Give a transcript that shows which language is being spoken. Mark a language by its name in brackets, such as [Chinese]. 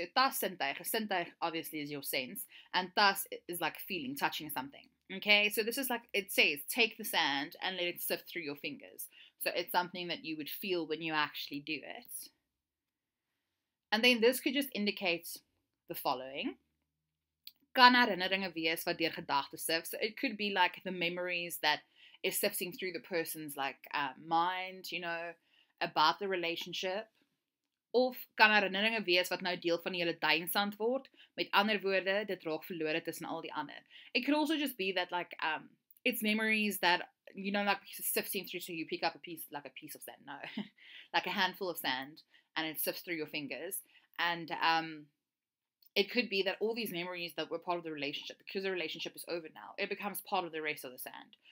[English] So, tas sintuig, sintuig obviously is your sense, and tas is like feeling, touching something. Okay, so this is like, it says, take the sand and let it sift through your fingers. So, it's something that you would feel when you actually do it. And then this could just indicate the following. [Afrikaans] Kan herinneringe wees wat deur gedagte sif. [English] So, it could be like the memories that is sifting through the person's like mind, you know, about the relationship. [Afrikaans] Of kan herinneringe wees wat nou deel van julle duinsand word. Met ander woorde, dit raak verlore tussen al die ander. [English] It could also just be that, like, it's memories that, you know, like, sifting through, so you pick up a piece, like, a piece of sand, no. Like, a handful of sand, and it sifts through your fingers. And it could be that all these memories that were part of the relationship, because the relationship is over now, it becomes part of the rest of the sand.